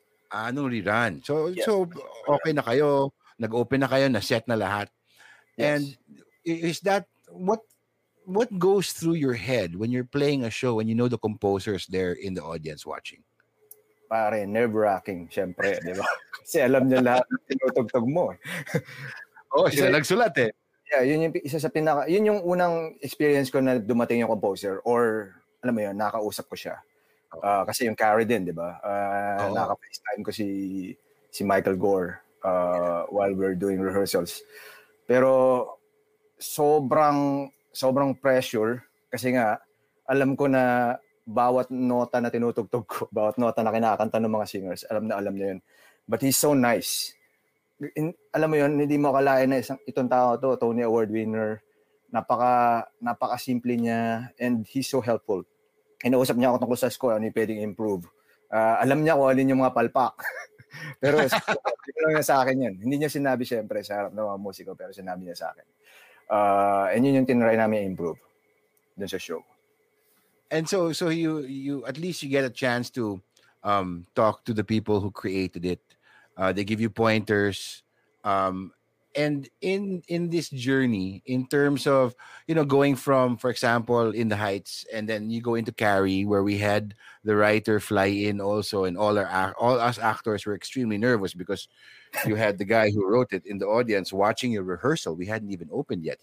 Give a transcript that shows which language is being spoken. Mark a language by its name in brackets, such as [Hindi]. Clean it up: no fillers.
[Filipino] Ah, nung rerun. [English] So yes. [Filipino] So okay na kayo, nag-open na kayo, na-set na lahat. Yes. [English] And is that what goes through your head when you're playing a show and you know the composer is there in the audience watching? [Filipino] Pare, nerve-wracking, syempre, diba? Kasi alam niya lahat ng tinutugtog mo. Oh, siya nagsulat eh. Yeah, yun yung isa sa pinaka, yun yung unang experience ko na dumating yung composer or alam mo yun, nakausap ko siya. Kasi yung carry din, di ba? Naka-FaceTime ko si Michael Gore [English] while we're doing rehearsals. [Filipino] Pero sobrang pressure kasi nga alam ko na bawat nota na tinutugtog ko, bawat nota na kinakanta ng mga singers, alam na yun. [English] But he's so nice. [Filipino] Alam mo yun, hindi mo akalain na isang itong tao to, Tony Award winner, napaka simple niya, [English] and he's so helpful. [Filipino] Inausap niya ako tungkol sa score, ano yung pwedeng improve. Alam niya kung alin yung mga palpak. Pero sinabi niya sa akin yun. Hindi niya sinabi siyempre sa harap ng mga musiko, pero sinabi niya sa akin. And yun yung tinry namin improve dun sa show. [English] And so you at least you get a chance to talk to the people who created it. They give you pointers. And in this journey, in terms of, you know, going from, for example, In the Heights, and then you go into Carrie, where we had the writer fly in also, and all us actors were extremely nervous because you had the guy who wrote it in the audience watching your rehearsal. We hadn't even opened yet.